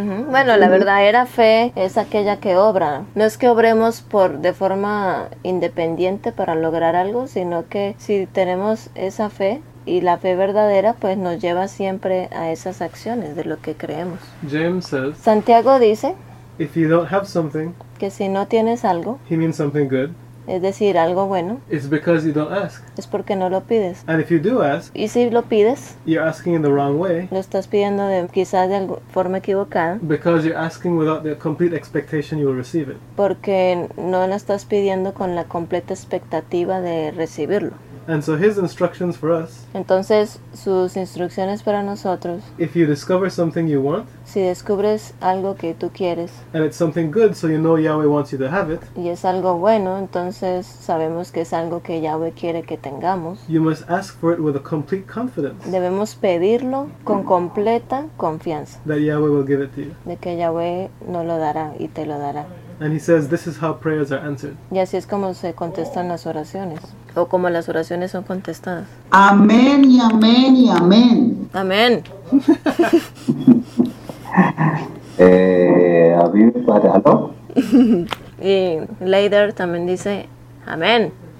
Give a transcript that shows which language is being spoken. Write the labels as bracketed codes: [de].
[es] Bueno, la verdadera fe es aquella que obra. No es que obremos de forma independiente para lograr algo, sino que si tenemos esa fe, y la fe verdadera, pues nos lleva siempre a esas acciones de lo que creemos. [en] James says, [es] Santiago dice, [en] if you don't have something, [es] que si no tienes algo, [en] he means something good. [es] Es decir, algo bueno. [en] It's because you don't ask. [es] Es porque no lo pides. [en] And if you do ask, [es] y si lo pides, [en] you're asking in the wrong way. [es] Lo estás pidiendo quizás de forma equivocada. [en] Because you're asking without the complete expectation you will receive it. [es] Porque no lo estás pidiendo con la completa expectativa de recibirlo. [en] And so his instructions for us. [es] Entonces, sus instrucciones para nosotros. [en] If you discover something you want. [es] Si descubres algo que tú quieres. [en] And it's something good, so you know Yahweh wants you to have it. [es] Y es algo bueno, entonces sabemos que es algo que Yahweh quiere que tengamos. [en] You must ask for it with a complete confidence. [es] Debemos pedirlo con completa confianza. [en] That Yahweh will give it to you. [es] De que Yahweh no lo dará y te lo dará. [en] And he says this is how prayers are answered. [es] Y así es como se contestan las oraciones. O como las oraciones son contestadas. Amén y amén y amén. Amén. A mí me parece, ¿no? Y Leider también dice, amén.